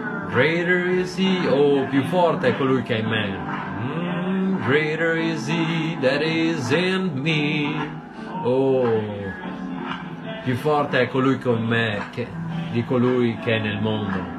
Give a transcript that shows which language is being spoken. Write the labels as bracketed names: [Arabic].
[English] Greater is he. [Italian] Oh, più forte è colui che è in me. [English] Greater is he that is in me. [Italian] Oh, più forte è colui che è in me che, di colui che è nel mondo.